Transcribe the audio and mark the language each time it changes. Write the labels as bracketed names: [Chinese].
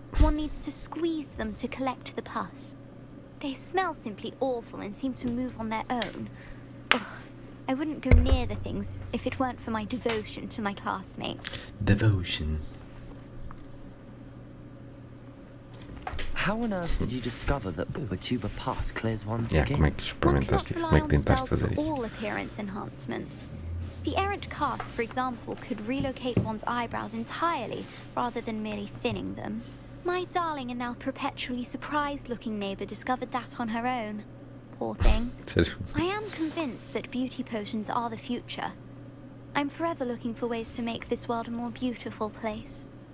[English] One needs to squeeze them to collect the pus. They smell simply awful and seem to move on their own. Ugh, I wouldn't go near the things if it weren't for my devotion to my classmate. Devotion. How on earth did you discover that booba tuba pus clears one's yeah, skin? [Portuguese] Como é que experimentaste isso? Como é que tentaste fazer isso? [English] All appearance enhancements. The errant cast, for example, could relocate one's eyebrows entirely rather than merely thinning them. My darling and now perpetually surprised-looking neighbor discovered that on her own. Poor thing. I am convinced that beauty potions are the future. I'm forever looking for ways to make this world a more beautiful place.